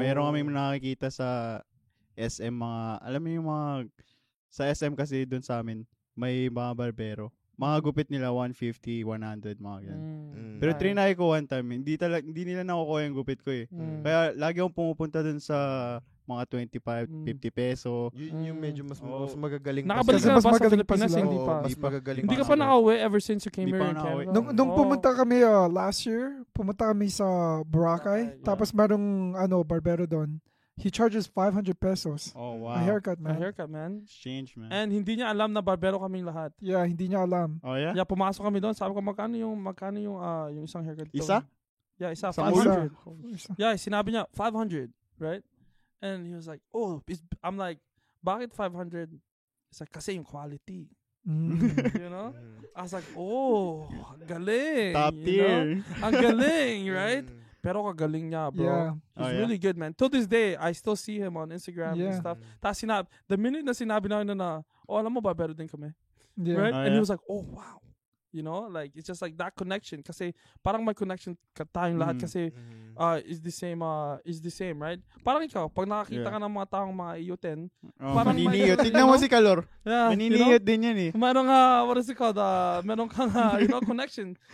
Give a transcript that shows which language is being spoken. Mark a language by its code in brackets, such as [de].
[tl] Meron kami nakikita sa SM mga, alam mo yung mga, sa SM kasi dun sa amin, may mga barbero. Mga gupit nila, 150, 100, mga ganyan. Pero trinay ko [en] one time, [tl] hindi nila nakukuha yung gupit ko eh. Kaya lagi akong pumupunta dun sa mga 25, 50 peso. Yung medyo mas magagaling. Nakabalik na ba sa Pilipinas? Hindi pa. Hindi ka pa naka-uwi [en] ever since you came here in Canada? [tl] Nung pumunta kami [en] last year, [tl] pumunta kami sa Boracay. Tapos merong ano, barbero doon. [en] He charges 500 pesos. Oh, wow. A haircut, man. Change, man. [tl] And hindi niya alam na barbero kami lahat. Yeah, hindi niya alam. [en] Oh, yeah? [tl] Yeah, pumasok kami doon. Sabi ko, magkano yung isang haircut? Isa? Yeah, isa. 500. Yeah, sinabi niya, 500, right? [en] And he was like, oh, I'm like, [tl] bakit 500? [en] It's like, [tl] kasi yung quality. [en] You know? I was like, oh, galing. Top tier. [tl] Ang galing, right? Pero kagaling niya, bro. [en] Yeah. He's really good, man. To this day, I still see him on Instagram and stuff. [tl] Tapos [en] the minute [tl] na sinabi na yun na, oh, alam mo ba, better din kami. [en] Yeah. Right? Yeah. And he was like, oh, wow. You know? Like, it's just like that connection. [tl] Kasi parang may connection ka tayong lahat. Kasi [en] is the same, right? [tl] Parang ikaw, pag nakakita ka ng mga taong mga iyotin, parang maniniyot. Tignan mo si Kalor. [en] Yeah, [tl] maniniyot [en] you know? [tl] Din yan eh. [en] Merong, what is it called? [tl] Merong kang, [en] you know, connection.